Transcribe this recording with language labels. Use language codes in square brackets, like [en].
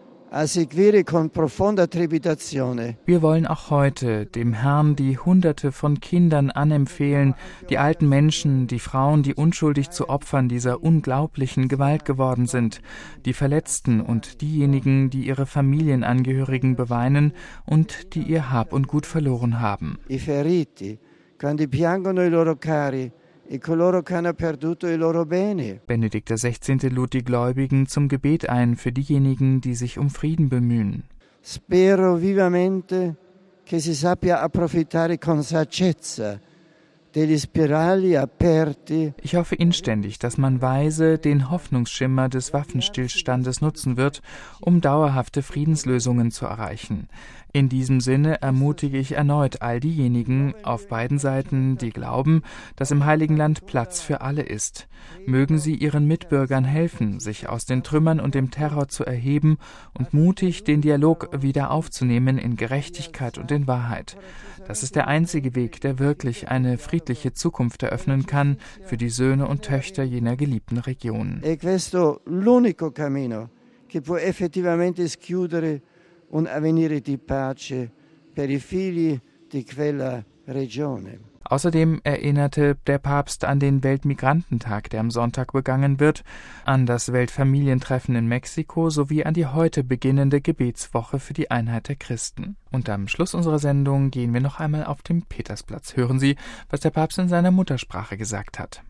[de] Wir wollen auch heute dem Herrn die Hunderte von Kindern anempfehlen, die alten Menschen, die Frauen, die unschuldig zu Opfern dieser unglaublichen Gewalt geworden sind, die Verletzten und diejenigen, die ihre Familienangehörigen beweinen und die ihr Hab und Gut verloren haben. [it] I feriti, quando piangono i loro cari. [de] Benedikt XVI. Lud die Gläubigen zum Gebet ein für diejenigen, die sich um Frieden bemühen. [it] Spero vivamente che si sappia approfittare con saggezza. [de] Ich hoffe inständig, dass man weise den Hoffnungsschimmer des Waffenstillstandes nutzen wird, um dauerhafte Friedenslösungen zu erreichen. In diesem Sinne ermutige ich erneut all diejenigen auf beiden Seiten, die glauben, dass im Heiligen Land Platz für alle ist. Mögen sie ihren Mitbürgern helfen, sich aus den Trümmern und dem Terror zu erheben und mutig den Dialog wieder aufzunehmen in Gerechtigkeit und in Wahrheit. Das ist der einzige Weg, der wirklich eine friedliche Zukunft eröffnen kann für die Söhne und Töchter jener geliebten Regionen. [it] E questo l'unico cammino che può effettivamente schiudere un avvenire di pace per i figli di quella regione. [de] Außerdem erinnerte der Papst an den Weltmigrantentag, der am Sonntag begangen wird, an das Weltfamilientreffen in Mexiko sowie an die heute beginnende Gebetswoche für die Einheit der Christen. Und am Schluss unserer Sendung gehen wir noch einmal auf den Petersplatz. Hören Sie, was der Papst in seiner Muttersprache gesagt hat.